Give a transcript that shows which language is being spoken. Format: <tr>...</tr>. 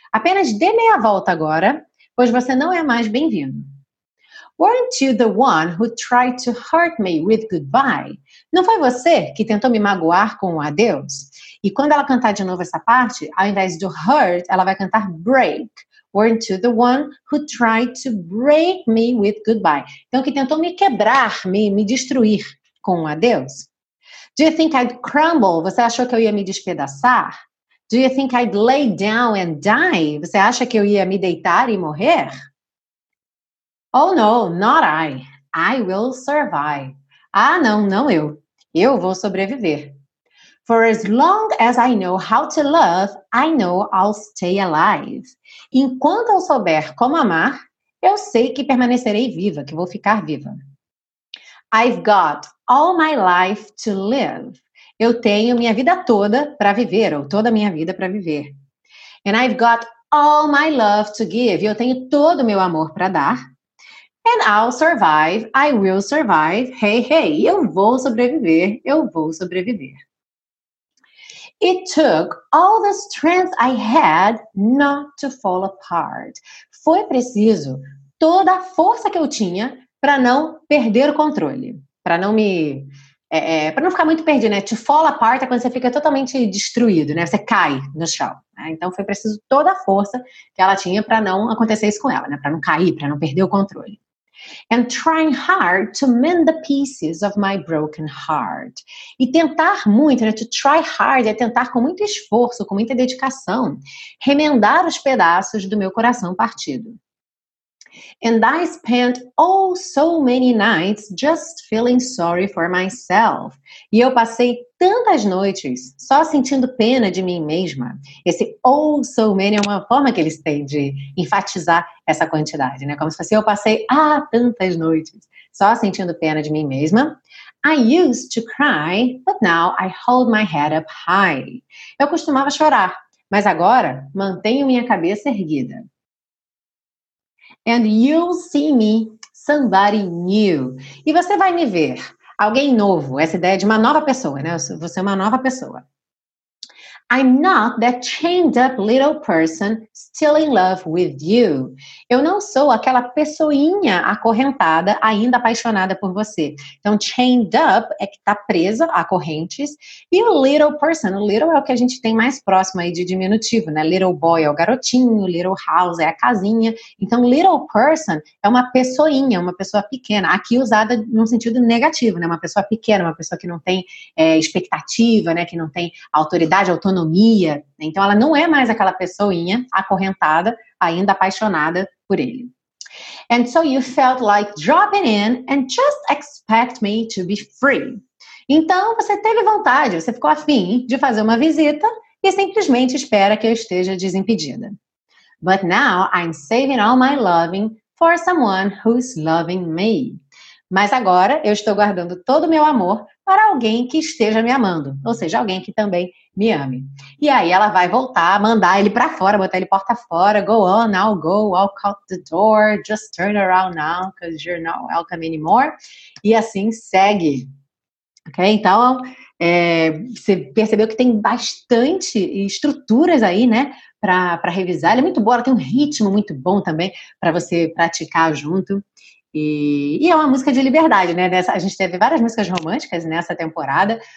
<pt>Apenas dê meia volta agora, pois você não é mais bem-vindo.</pt> <en>Weren't you the one who tried to hurt me with goodbye?</en> <pt>Não foi você que tentou me magoar com um adeus? E quando ela cantar de novo essa parte, ao invés do hurt, ela vai cantar break.</pt> <en>Weren't you the one who tried to break me with goodbye?</en> <pt>Então, que tentou me quebrar, me destruir com um adeus?</pt> <en>Do you think I'd crumble?</en> <pt>Você achou que eu ia me despedaçar?</pt> <en>Do you think I'd lay down and die?</en> <pt>Você acha que eu ia me deitar e morrer?</pt> <en>Oh, no, not I. I will survive.</en> <pt>Ah, não, não eu. Eu vou sobreviver.</pt> <en>For as long as I know how to love, I know I'll stay alive.</en> <pt>Enquanto eu souber como amar, eu sei que permanecerei viva, que vou ficar viva.</pt> <en>I've got all my life to live.</en> <pt>Eu tenho minha vida toda para viver, ou toda a minha vida para viver.</pt> <en>And I've got all my love to give.</en> <pt>Eu tenho todo o meu amor para dar.</pt> <en>And I'll survive, I will survive, hey, hey,</en> <pt>eu vou sobreviver, eu vou sobreviver.</pt> <en>It took all the strength I had not to fall apart.</en> <pt>Foi preciso toda a força que eu tinha para não perder o controle, para não me, para não ficar muito perdido, né?</pt> <en>To fall apart</en> <pt>é quando você fica totalmente destruído, né? Você cai no chão, né? Então foi preciso toda a força que ela tinha para não acontecer isso com ela, né? Para não cair, para não perder o controle.</pt> <en>And trying hard to mend the pieces of my broken heart.</en> <pt>E tentar muito, né?</pt> <en>To try hard</en> <pt>é tentar com muito esforço, com muita dedicação, remendar os pedaços do meu coração partido.</pt> <en>And I spent oh so many nights just feeling sorry for myself.</en> <pt>E eu passei tantas noites só sentindo pena de mim mesma. Esse</pt> <en>oh so many</en> <pt>é uma forma que eles têm de enfatizar essa quantidade, né? Como se fosse eu passei tantas noites só sentindo pena de mim mesma.</pt> <en>I used to cry, but now I hold my head up high.</en> <pt>Eu costumava chorar, mas agora mantenho minha cabeça erguida.</pt> <en>And you'll see me, somebody new.</en> <pt>E você vai me ver, alguém novo, essa ideia de uma nova pessoa, né? Você é uma nova pessoa.</pt> <en>I'm not that chained up little person still in love with you.</en> <pt>Eu não sou aquela pessoinha acorrentada, ainda apaixonada por você. Então,</pt> <en>chained up</en> <pt>é que tá presa a correntes. E o</pt> <en>little person,</en> <pt>o little é o que a gente tem mais próximo aí de diminutivo, né?</pt> <en>Little boy</en> <pt>é o garotinho,</pt> <en>little house</en> <pt>é a casinha. Então,</pt> <en>little person</en> <pt>é uma pessoinha, uma pessoa pequena. Aqui usada num sentido negativo, né? Uma pessoa pequena, uma pessoa que não tem expectativa, né? Que não tem autoridade, autonomia. Então, ela não é mais aquela pessoinha acorrentada, ainda apaixonada por ele.</pt> <en>And so you felt like dropping in and just expect me to be free.</en> <pt>Então, você teve vontade, você ficou afim de fazer uma visita e simplesmente espera que eu esteja desimpedida.</pt> <en>But now I'm saving all my loving for someone who's loving me.</en> <pt>Mas agora eu estou guardando todo o meu amor para alguém que esteja me amando, ou seja, alguém que também me ame. E aí ela vai voltar, mandar ele para fora, botar ele porta fora.</pt> <en>Go on now, go, walk out the door, just turn around now, because you're not welcome anymore.</en> <pt>E assim segue. Ok? Então, você percebeu que tem bastante estruturas aí, né? Para revisar. Ela é muito boa, ela tem um ritmo muito bom também para você praticar junto. E é uma música de liberdade, né? A gente teve várias músicas românticas nessa temporada.</pt>